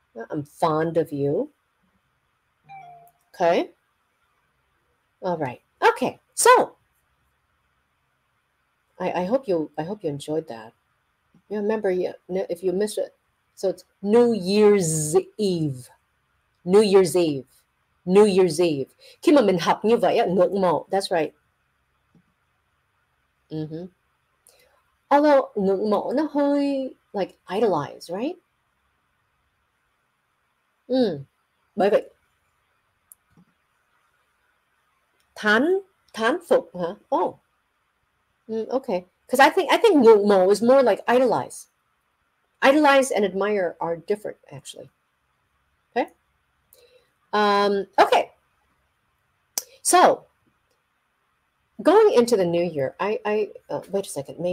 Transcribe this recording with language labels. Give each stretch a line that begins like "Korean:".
English: I'm fond of you. Okay. All right. Okay. So I hope you enjoyed that. You remember, if you miss it, so it's New Year's Eve. New Year's Eve. New Year's Eve.
Vietnamese: Khi mà mình học như vậy á, ngưỡng mộ.
English: That's right. Although
Vietnamese: ngưỡng mộ nó hơi
English: like idolize, right?
Vietnamese: Bởi vậy thán thán phục hả?
English: Oh, okay. Because I think ngưỡng mộ is more like idolize. Idolize and admire are different, actually. Okay. So going into the new year, I wait a second.